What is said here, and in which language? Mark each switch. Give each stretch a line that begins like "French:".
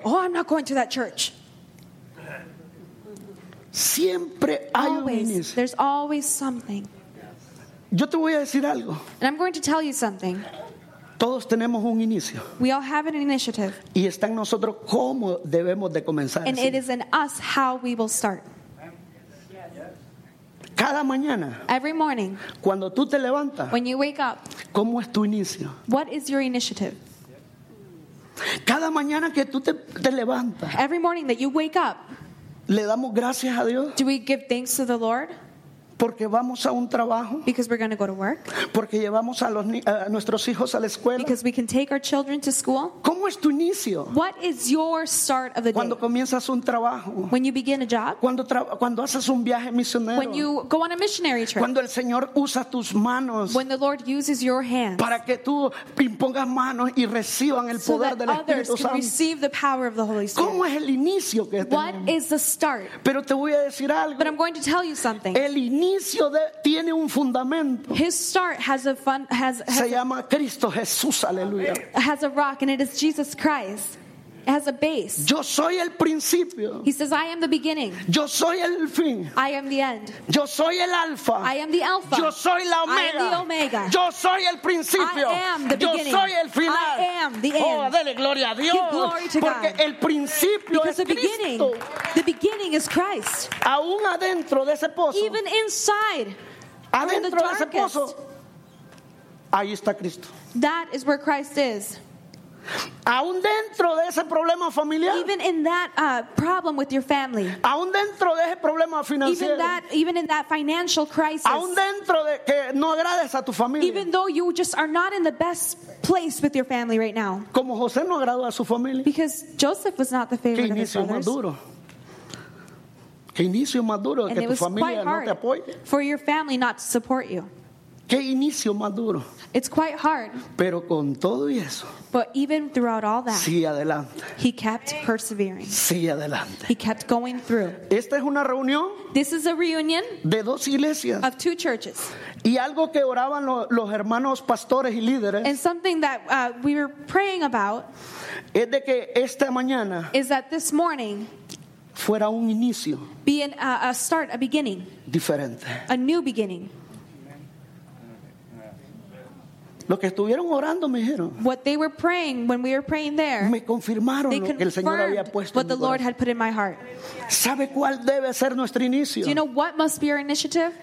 English: Oh, I'm not going to that church.
Spanish: Siempre hay
English: always.
Spanish: Un inicio.
English: There's always something.
Spanish: Yo te voy a decir algo.
English: And I'm going to tell you something.
Spanish: Todos tenemos un inicio.
English: We all have an initiative.
Spanish: Y está en nosotros cómo debemos de comenzar.
English: And it is in us how we will start.
Spanish: Cada mañana.
English: Every morning.
Spanish: Cuando tú te levantas.
English: When you wake up.
Spanish: ¿Cómo es tu inicio?
English: What is your initiative?
Spanish: Cada mañana que tú te levantas.
English: Every morning that you wake up.
Spanish: ¿Le damos gracias a Dios?
English: Do we give thanks to the Lord?
Spanish: Porque vamos a un trabajo.
English: Because we're going to go to work.
Spanish: Porque llevamos a nuestros hijos a la escuela.
English: Because we can take our children to school.
Spanish: ¿Cómo es tu inicio?
English: What is your start of the day?
Spanish: Cuando comienzas un trabajo.
English: When you begin a job.
Spanish: Cuando haces un viaje misionero.
English: When you go on a missionary trip.
Spanish: Cuando el Señor usa tus manos.
English: When the Lord uses your hands.
Spanish: Para que tú impongas manos y reciban el
English: so
Spanish: poder del Espíritu Santo.
English: So that others can receive the power of the Holy Spirit.
Spanish: ¿Cómo es el inicio que tenemos?
English: What is the start?
Spanish: Pero te voy a decir algo.
English: But I'm going to tell you something.
Spanish: El inicio tiene un fundamento.
English: His start has a fun, has
Spanish: se llama Cristo Jesús, aleluya.
English: Has a rock and it is Jesus Christ. Has a base.
Spanish: Yo soy el principio.
English: He says, I am the beginning.
Spanish: Yo soy el fin.
English: I am the end.
Spanish: Yo soy el alfa.
English: I am the alpha.
Spanish: Yo soy la omega.
English: I am the omega.
Spanish: Yo soy el principio.
English: I am the beginning.
Spanish: Yo soy el final.
English: I am the end.
Spanish: Oh, dele gloria a Dios.
English: Give glory to
Spanish: porque
English: God.
Spanish: El principio
English: because
Spanish: es
English: the beginning,
Spanish: Cristo.
English: The beginning is Christ.
Spanish: Aún adentro de ese pozo.
English: Even inside.
Spanish: Adentro
English: in the darkest,
Spanish: de ese pozo. Ahí está Cristo.
English: That is where Christ is.
Spanish: Aún dentro de ese problema familiar,
English: even in that problem with your family,
Spanish: aún dentro de ese problema financiero,
English: even in that financial crisis,
Spanish: aún dentro de que no agrades a tu familia,
English: even though you just are not in the best place with your family right now,
Spanish: como José no agradó a su familia,
English: because Joseph was not the favorite of his brothers.
Spanish: Qué inicio más duro. Qué inicio más duro que tu familia no te apoye.
English: For your family not to support you.
Spanish: Qué inicio más duro.
English: It's quite hard.
Spanish: Pero con todo y eso.
English: But even throughout all that.
Spanish: Sigue adelante.
English: He kept persevering.
Spanish: Sigue adelante.
English: He kept going through.
Spanish: Esta es una reunión.
English: This is a reunion.
Spanish: De dos iglesias.
English: Of two churches.
Spanish: Y algo que oraban los hermanos pastores y líderes.
English: And something that we were praying about.
Spanish: Es de que esta mañana.
English: Is that this morning.
Spanish: fuera un inicio.
English: Be an, a start, a beginning.
Spanish: Diferente.
English: A new beginning.
Spanish: Lo que estuvieron orando me dijeron.
English: What they were praying when we were praying there.
Spanish: Me confirmaron lo que el Señor había puesto.
English: What the Lord had put in my heart.
Spanish: ¿Sabe cuál debe ser nuestro inicio?
English: Do you know what must be our initiative?